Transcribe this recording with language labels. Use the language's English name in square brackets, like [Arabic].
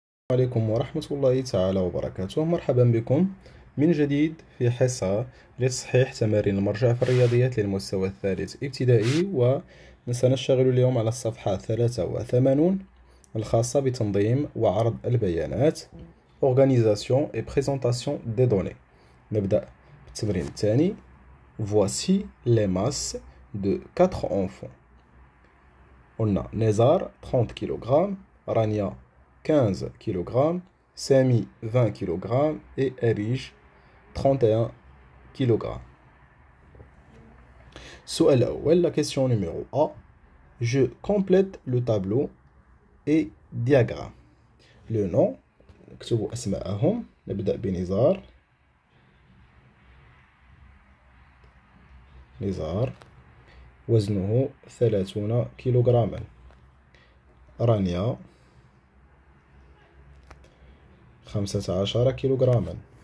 [Arabic] السلام عليكم ورحمة الله تعالى وبركاته، مرحبا بكم من جديد في حصة لتصحيح تمارين المرجع في الرياضيات للمستوى الثالث ابتدائي، وسنشتغل اليوم على الصفحة 83 الخاصة بتنظيم وعرض البيانات Organisation et présentation des données. نبدأ بالتمرين الثاني. [French] Voici les masses de 4 enfants. [Arabic] قلنا نزار 30 كيلوغرام، رانيا 15 كيلوغ، سامي 20 كيلوغ، أريج 31 كيلوغ. [French] السؤال الأول، la question numéro A. Je complète le tableau et diagramme. [Arabic] Le nom، اكتبوا أسماءهم. نبدأ بنزار. نزار وزنه 30 كيلوغراما. رانيا 15 كيلوغراما.